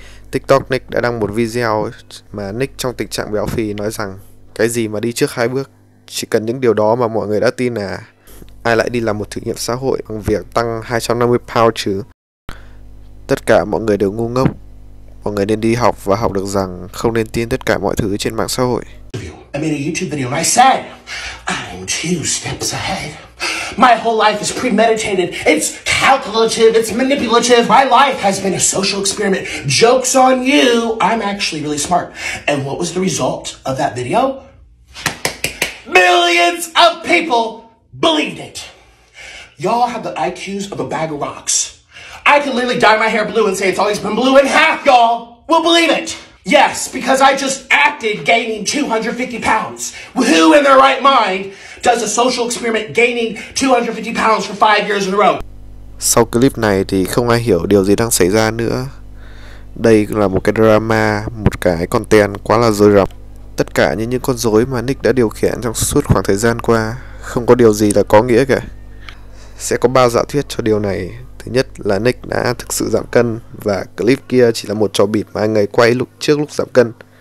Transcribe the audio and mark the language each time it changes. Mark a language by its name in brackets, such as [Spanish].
[Vietnamese] TikTok Nick đã đăng một video mà Nick trong tình trạng béo phì nói rằng: Cái gì mà đi trước 2 bước? Chỉ cần những điều đó mà mọi người đã tin à? Ai lại đi làm một thử nghiệm xã hội bằng việc tăng 250 pound chứ? Tất cả mọi người đều ngu ngốc. Mọi người nên đi học và học được rằng không nên tin tất cả mọi thứ trên mạng xã hội. [English] I made a YouTube video and I said, I'm 2 steps ahead. My whole life is premeditated, it's calculative, it's manipulative. My life has been a social experiment. Joke's on you, I'm actually really smart. And what was the result of that video? Millions of people believed it. Y'all have the IQs of a bag of rocks. I can literally dye my hair blue and say it's always been blue, and half y'all will believe it. Yes, because I just acted gaining 250 pounds. Who in their right mind does a social experiment gaining 250 pounds for 5 years in a row? [Vietnamese] Sau clip này thì không ai hiểu điều gì đang xảy ra nữa. Đây là một cái drama, một cái content quá là rối rắm. Tất cả những con rối mà Nick đã điều khiển trong suốt khoảng thời gian qua, không có điều gì là có nghĩa cả. Sẽ có 3 giả thuyết cho điều này. Thứ nhất là Nick đã thực sự giảm cân và clip kia chỉ là một trò bịp mà anh ấy quay lúc trước lúc giảm cân.